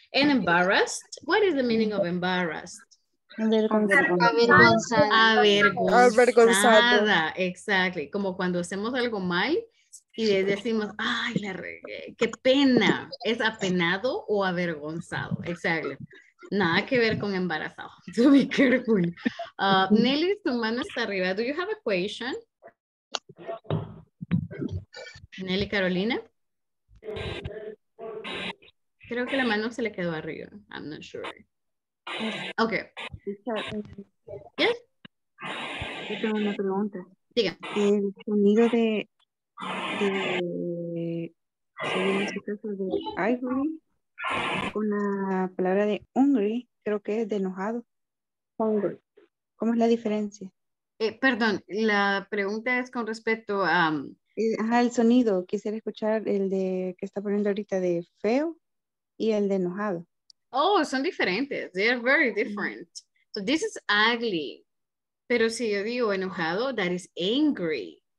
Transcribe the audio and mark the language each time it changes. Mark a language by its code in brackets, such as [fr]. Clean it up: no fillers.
[en] And embarrassed, what is the meaning of embarrassed? [es] Avergonzada, [en] exactly. [es] Como cuando hacemos algo mal y le decimos, ay, la regué, qué pena. Es apenado o avergonzado, exactly. Nada que ver con embarazado. [en] So be careful. Nelly, [es] tu mano está arriba. [en] Do you have a question? Nelly, Carolina. [es] Creo que la mano se le quedó arriba. [en] I'm not sure. Okay. Yes. [es] Yo tengo una pregunta. Diga. El sonido de en este caso de ivory con la palabra de hungry, creo que es de enojado. [en] Hungry. [es] ¿Cómo es la diferencia? Perdón, la pregunta es con respecto a El sonido, quisiera escuchar el de que está poniendo ahorita de feo y el de enojado. [en] Oh, [es] son diferentes. [en] They are very different. So this is ugly. [es] Pero si yo digo enojado, [en] that is angry.